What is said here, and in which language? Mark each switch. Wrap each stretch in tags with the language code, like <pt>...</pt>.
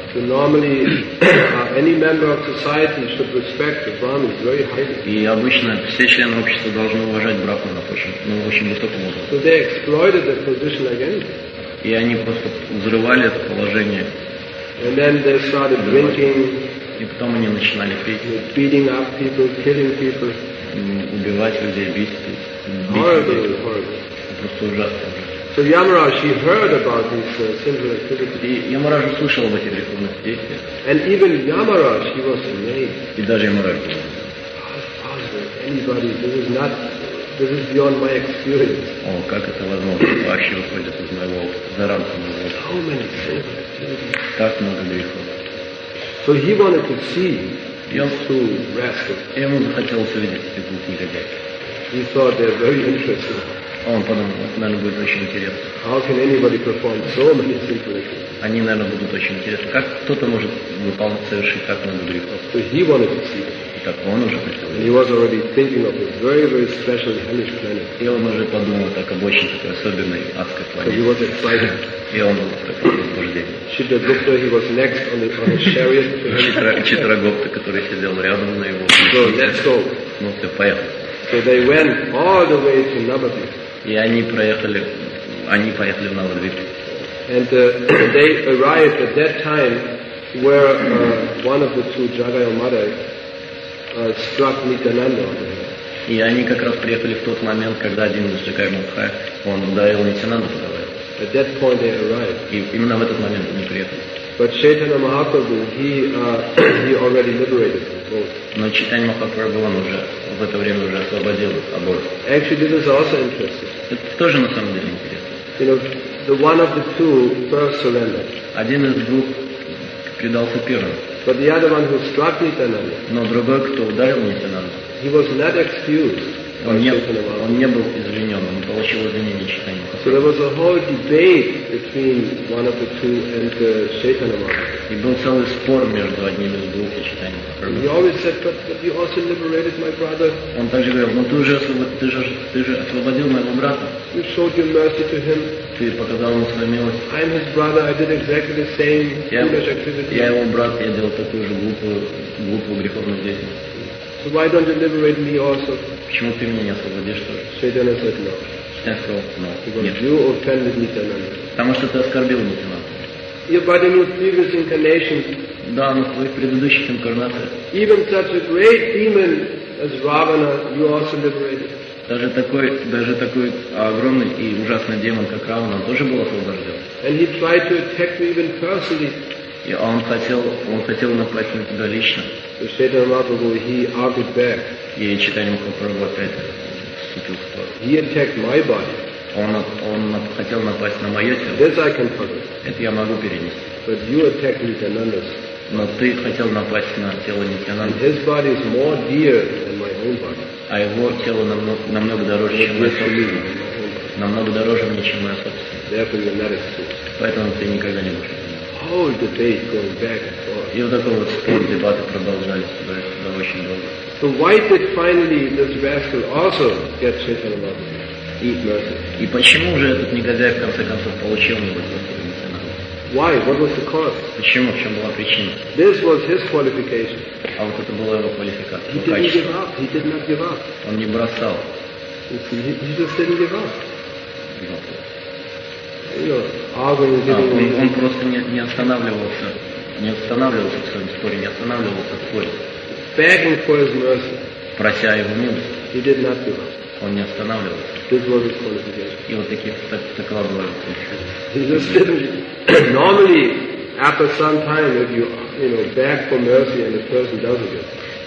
<en>So normally, any member of society should respect the Brahmins very highly.</en> <ru>И обычно все члены общества должны уважать брахманов очень высоким образом.</ru> <en>So they exploited the position again.</en> <ru>И они просто взрывали это положение.</ru> <en>And then they started drinking.</en> <ru>И потом они начинали пить.</ru> <en>Beating up people, killing people.</en> <ru>Убивать людей, бить людей.</ru> <en>Horrible.</en> <ru>Просто ужасно.</ru> <en>So Yamaraj, he heard about these sinful activities.</en> <ru>Ямарадж услышал об этих греховных действиях.</ru> <en>And even Yamaraj, he was amazed.</en> <ru>И даже Ямарадж.</ru> <en>How is it possible? Anybody? This is beyond my experience.</en> <ru>О, как это возможно? Вообще выходит из моего опыта, за рамки моего опыта.</ru> <en>How many sinful activities?</en> <ru>Так много грехов.</ru> <en>So he wanted to see these rascals.</en> <ru>И ему захотелось увидеть этих двух негодяев.</ru> <en>He thought they're very interesting.</en> <ru>Он подумал, это, наверное, будет очень интересно.</ru> <en>How can anybody perform so many sinful things?</en> <ru>Они, наверное, будут очень интересны. Как кто-то может выполнить, совершить так много грехов?</ru> <en>So he wanted to see.</en> <ru>И так он уже хотел.</ru> <en>And he was already thinking of a very, very special hellish planet.</en> <ru>И он уже подумал так об очень такой особенной адской планете.</ru> <en>So he was excited.</en> <ru>И он был в таком возбуждении.</ru> <en>Читрагупта, he was next on the chariot.</en> <ru>Читрагупта, который сидел рядом на его.</ru> <en>So let's go.</en> <ru>Ну все, поехали.</ru> <en>So they went all the way to Navadvip.</en> <ru>И они поехали в Навадвип.</ru> <en>And they arrived at that time where one of the two Jagai and Madai struck Nityananda.</en> <ru>И они как раз приехали в тот момент, когда один из Джигай Мудхай, он ударил лейтенанта второй.</ru> <en>At that point they arrived.</en> <ru>И именно в этот момент они приехали.</ru> <en>But Chaitanya Mahaprabhu, he already liberated them both.</en> <ru>Но Чайтанья Махапрабху, он уже в это время уже освободил обоих.</ru> <en>Actually, this is also interesting.</en> <ru>Это тоже на самом деле интересно.</ru> <en>You know, the one of the two first surrendered.</en> <ru>Один из двух предался первым.</ru> <en>But the other one who struck Nityananda.</en> <ru>Но другой, кто ударил Нитянанда.</ru> <en>He was not excused.</en> <ru>Он не был извинен, он получил извинение Чайтанья Махапрабху.</ru> <en>So there was a whole debate between one of the two and the Chaitanya Mahaprabhu.</en> <ru>И был целый спор между одним из двух и Чайтанья Махапрабху.</ru> <en>He always said, but you also liberated my brother.</en> <ru>Он также говорил, но ты же освободил моего брата.</ru> <en>You showed your mercy to him.</en> <ru>Ты показал ему свою милость.</ru> <en>I'm his brother. I did exactly the same foolish activity.</en> <ru>Я его брат, я делал такую же глупую греховную деятельность.</ru> <en>So why don't you liberate me also?</en> <ru>Почему ты меня не освободишь тоже?</ru> <en>Chaitanya said no.</en> <ru>Chaitanya сказал,</ru> <en>no. Because</en> <ru>нет.</ru> <en>You offended Nityananda.</en> <ru>Потому что ты оскорбил Нитянанду.</ru> <en>Yeah, but in your previous incarnations.</en> <ru>Да, но в твоих предыдущих инкарнациях.</ru> <en>Even such a great demon as Ravana, you also liberated.</en> <ru>Даже такой огромный и ужасный демон, как Равана, тоже был освобожден.</ru> <en>And he tried to attack me even personally.</en> <ru>И он хотел напасть на тебя лично.</ru> <en>So Chaitanya Mahaprabhu, he argued back.</en> <ru>И Чайтанья Махапрабху опять вступил в спор.</ru> <en>He attacked my body.</en> <ru>Он хотел напасть на мое тело.</ru> <en>This I can forget.</en> <ru>Это я могу перенести.</ru> <en>But you attacked Nityananda's.</en> <ru>Но ты хотел напасть на тело Нитянанды.</ru> <en>His body is more dear than my own body.</en> <ru>А его тело намного дороже, чем мое собственное. Намного дороже мне, чем мое собственное.</ru> <en>Therefore you're not excused.</en> <ru>Поэтому ты никогда не будешь.</ru> <en>Whole debate going back and forth.</en> <ru>И вот такой вот спор, дебаты продолжались до очень долго.</ru> <en>So why did finally this rascal also get Chaitanya Mahaprabhu? Eat mercy.</en> <ru>И почему же этот негодяй в конце концов получил милосердие Нитянанды?</ru> <en>Why? What was the cause?</en> <ru>Почему? В чем была причина?</ru> <en>This was his qualification.</en> <ru>А вот это была его квалификация.</ru> <en>He didn't give up. He did not give up.</en> <ru>Он не бросал.</ru> <en>He just didn't give up. No. You know,</en> <ru>да, он просто не останавливался в своем споре, не останавливался в споре.</ru> <en>Begging for his mercy.</en> <ru>Прося его милости.</ru> <en>He did not give up.</en> <ru>Он не останавливался.</ru> <en>This was his qualification.</en> <ru>И вот такова была его квалификация.</ru> <en>He just didn't. Normally, after some time, if you beg for mercy and the person doesn't give up.</en>